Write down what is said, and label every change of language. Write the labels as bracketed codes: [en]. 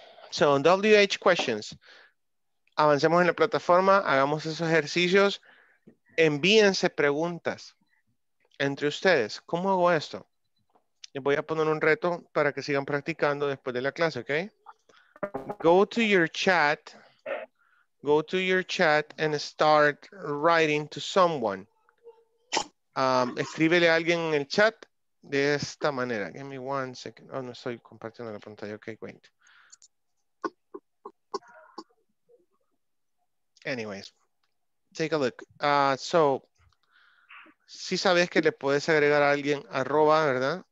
[en] So, WH questions. [es] Avancemos en la plataforma, hagamos esos ejercicios. Envíense preguntas entre ustedes. ¿Cómo hago esto? Les voy a poner un reto para que sigan practicando después de la clase, ¿ok? [en] Go to your chat. Go to your chat and start writing to someone. [es] Escríbele a alguien en el chat de esta manera. [en] Give me one second. Oh, [es] no estoy compartiendo la pantalla. [en] Ok, wait. Anyways, take a look. [es] So, si sabes que le puedes agregar a alguien arroba, ¿verdad?